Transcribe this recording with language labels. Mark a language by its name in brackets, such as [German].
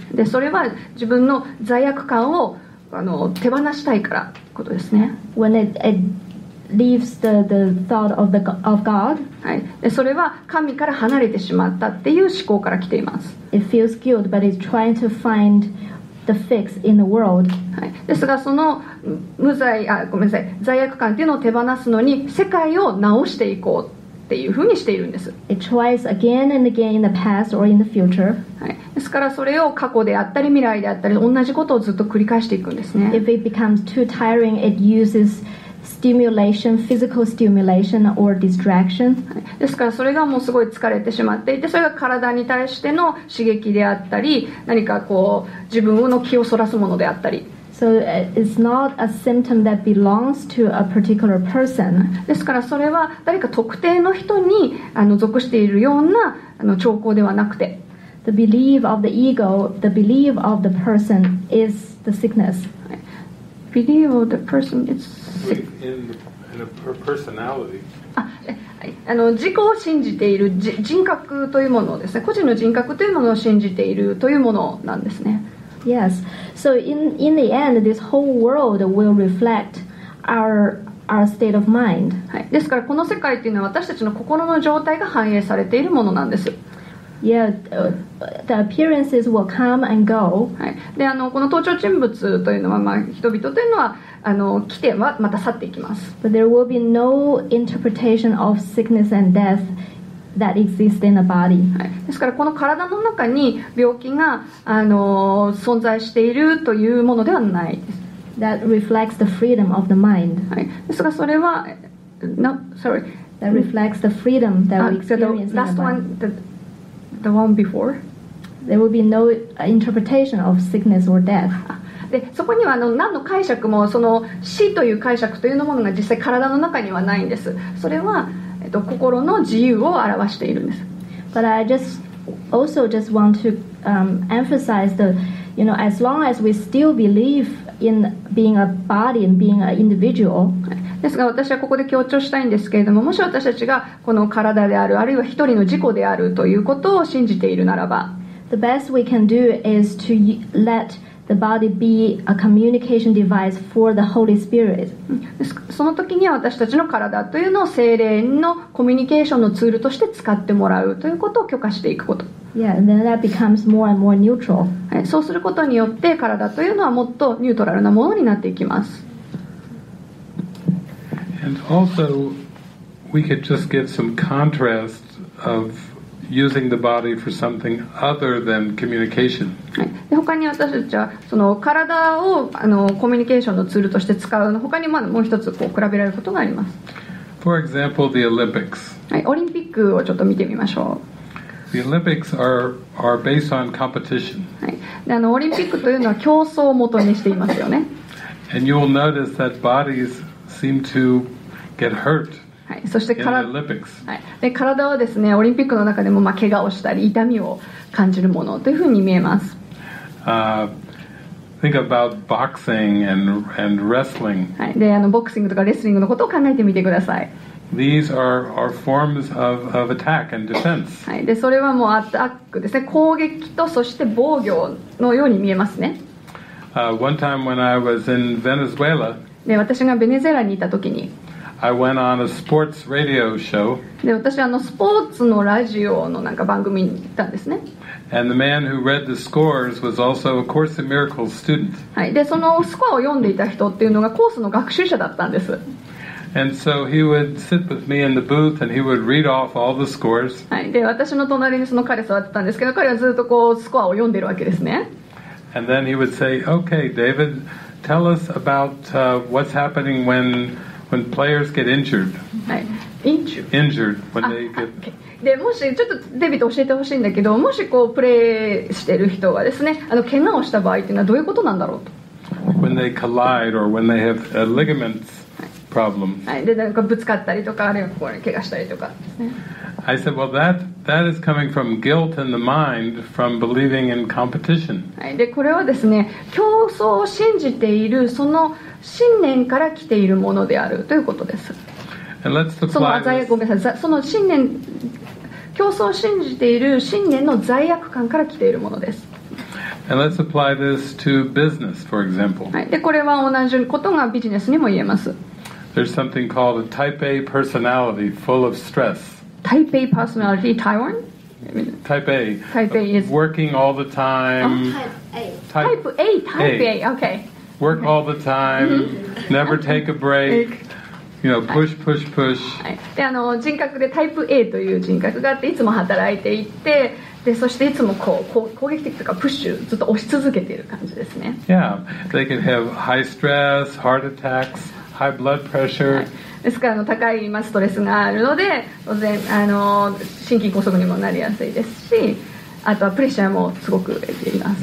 [Japanese] でそれは自分の罪悪感をあの手放したいからということですね。 [English] When it leaves the thought of God. [Japanese] はい。でそれは神から離れてしまったっていう思考から来ています。 [English] It feels guilt, but it's trying to find the fix in the world. [Japanese] はい。ですがその無罪あごめんなさい罪悪感っていうのを手放すのに世界を直していこう。っていうふうにしているんです。 [English] It tries again and again in the past or in the future. [Japanese] はい。ですからそれを過去であったり未来であったり同じことをずっと繰り返していくんですね。 [English] If it becomes too tiring, it uses stimulation, physical stimulation or distraction. [Japanese] はい。ですからそれがもうすごい疲れてしまっていて、それが体に対しての刺激であったり、何かこう自分の気をそらすものであったり。 [English] So it's not a symptom that belongs to a particular person. [Japanese] ですからそれは誰か特定の人にあの属しているようなあの兆候ではなくて、 [English] the belief of the ego, the belief of the person is the sickness. Belief of the person is sick. In a personality. [Japanese] あの自己を信じている人格というものですね。個人の人格というものを信じているというものなんですね。 [English] Yes. So in the end, this whole world will reflect our state of mind. [Japanese] はい。ですからこの世界っていうのは私たちの心の状態が反映されているものなんです。 [English] Yeah, the appearances will come and go. [Japanese] はい。で、あの、この登場人物というのは、まあ、人々というのは、あの、来てはまた去っていきます。 [English] But there will be no interpretation of sickness and death. That exists in the body. [Japanese] はい、ですからこの体の中に病気が、存在しているというものではないです。 [English] That reflects the freedom of the mind. [Japanese] はい、ですがそれは、 [English] no, sorry. That reflects the freedom that we experience in the body. Last one, the one before. There will be no interpretation of sickness or death. [Japanese] でそこにはあの何の解釈もその死という解釈というのものが実際体の中にはないんです。それは心の自由を表しているんです。 [English] But I just also just want to emphasize the, you know, as long as we still believe in being a body and being an individual. [Japanese] ですが私はここで強調したいんですけれども、もし私たちがこの体である、あるいは一人の自己であるということを信じているならば、 [English] The best we can do is to let the body be a communication device for the Holy Spirit. [Japanese] その時には私たちの体というのを聖霊のコミュニケーションのツールとして使ってもらうということを許可していくこと。 [English] Yeah, and then that becomes more and more neutral. [Japanese] そうすることによって体というのはもっとニュートラルなものになっていきます。 [English] And also, we could just give some contrast of using the body for something other than communication. [Japanese] はい。で、他に私たちはその体をあのコミュニケーションのツールとして使うの他にもう一つこう比べられることがあります。 [English] For example, the Olympics. [Japanese] はい。オリンピックをちょっと見てみましょう。 [English] The Olympics are based on competition. [Japanese] はい。で、あのオリンピックというのは競争をもとにしていますよね。 [English] And you will notice that bodies seem to get hurt. [Japanese] はい、そして体、はい、で体はですね、オリンピックの中でもまあ怪我をしたり痛みを感じるものというふうに見えます。 [English] Think about boxing and wrestling. [Japanese] はい、であのボクシングとかレスリングのことを考えてみてください。 [English] These are forms of attack and defense. [Japanese] はい、でそれはもうアタックですね、攻撃とそして防御のように見えますね。 [English] One time when I was in Venezuela. [Japanese] で私がベネズエラにいたときに。 [English] I went on a sports radio show. [Japanese] で、私はあのスポーツのラジオのなんか番組に行ったんですね。 [English] And the man who read the scores was also a Course in Miracles student. [Japanese] はい。で、そのスコアを読んでいた人っていうのがコースの学習者だったんです。 [English] And so he would sit with me in the booth and he would read off all the scores. [Japanese] はい。で、私の隣にその彼座ってたんですけど、彼はずっとこうスコアを読んでるわけですね。 [English] And then he would say, okay, David, tell us about what's happening when players get injured. [Japanese] はい。 [English] Injured when they get... [Japanese] でもしちょっとデビット教えてほしいんだけど、もしこうプレーしてる人がですね、あの怪我をした場合っていうのはどういうことなんだろうと。 [English] When they collide or when they have a ligament problem. [Japanese] はい、でなんかぶつかったりとか、あるいはここに怪我したりとかですね。 [English] I said, well, that is coming from guilt in the mind from believing in competition. [Japanese] はい、でこれはですね、競争を信じているその信念から来ているものであるということです。 [English] And let's apply [Japanese] その罪悪、ごめんなさい、その信念、競争を信じている信念の罪悪感から来ているものです。 [English] And let's apply this to business, for example. [Japanese] はい、で、これは同じことがビジネスにも言えます。 [English] There's something called a type A personality full of stress. Type A personality, Taiwan? Type A. Type A is... Working all the time. Oh, type A. Type A, okay. Work all the time, never take a break. You know, push. [Japanese] はい、であの人格でタイプ A という人格があっていつも働いていて、でそしていつもこう攻撃的とかプッシュずっと押し続けている感じですね。 [English] Yeah, they can have high stress, heart attacks, high blood pressure.、 [Japanese] はい、ですからあの高い今ストレスがあるので当然あの心筋梗塞にもなりやすいですし、あとはプレッシャーもすごく得ています。